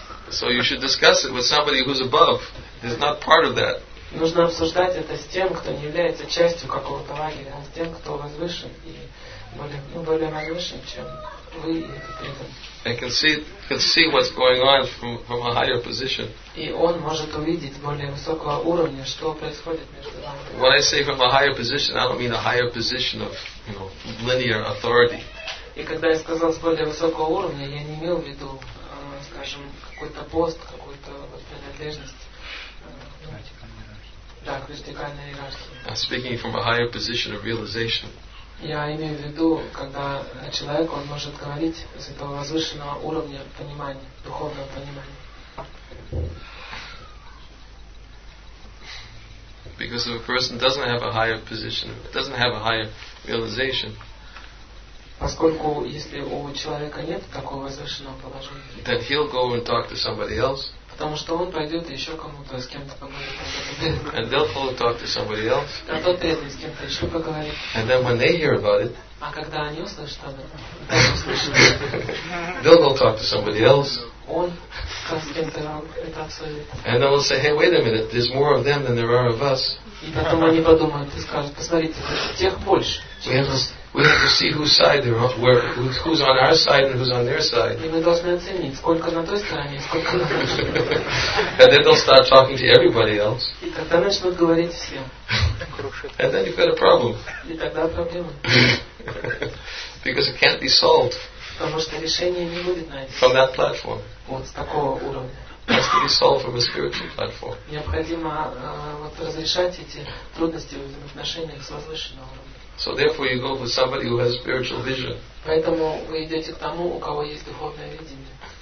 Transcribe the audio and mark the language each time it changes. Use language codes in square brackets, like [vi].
[en] So you should discuss it with somebody who's above. Is not part of that. [ru] Нужно обсуждать это с тем, кто не является частью какого-то лагеря, а с тем, кто возвышен и более возвышен, чем вы и этот преданный. [en] And can see what's going on from a higher position. [ru] И он может увидеть более высокого уровня, что происходит между вами. [en] When I say from a higher position, I don't mean a higher position of, you know, linear authority. [ru] И когда я сказал с более высокого уровня, я не имел в виду, скажем, какой-то пост, какую-то принадлежность. [en] I'm speaking from a higher position of realization. [ru] Я имею в виду, когда человек он может говорить с этого возвышенного уровня понимания, духовного понимания. [en] Because if a person doesn't have a higher position, doesn't have a higher realization. [ru] Поскольку если у человека нет такого возвышенного положения. [en] Then he'll go and talk to somebody else. [ru] Потому что он пойдет еще кому-то с кем-то поговорить. [en] And they'll follow talk to somebody else. [ru] А тот преданный с кем-то еще поговорит. [en] And then when they hear about it. [ru] А когда они услышат об этом. [en] They'll go talk to somebody else. [ru] Он с кем-то это обсудит. [en] And they'll say, hey, wait a minute, there's more of them than there are of us. [ru] И потом они подумают и скажут, посмотрите, тех больше. [en] We have to see whose side they're on, who's on our side and who's on their side. [ru] И мы должны оценить, сколько на той стороне, сколько на той стороне. [en] And then they'll start talking to everybody else. [ru] И тогда начнут говорить всем. [en] And then you've got a problem. [ru] И тогда проблема. [en] Because it can't be solved. [ru] Потому что решение не будет найдено. [en] From that platform. [ru] Вот с такого уровня. [en] Has to be solved from a spiritual platform. [ru] Необходимо вот разрешать эти трудности в отношениях с возвышенным уровнем. [en] So therefore, you go with somebody who has spiritual vision. [ru] Поэтому вы идете к тому, у кого есть духовное видение.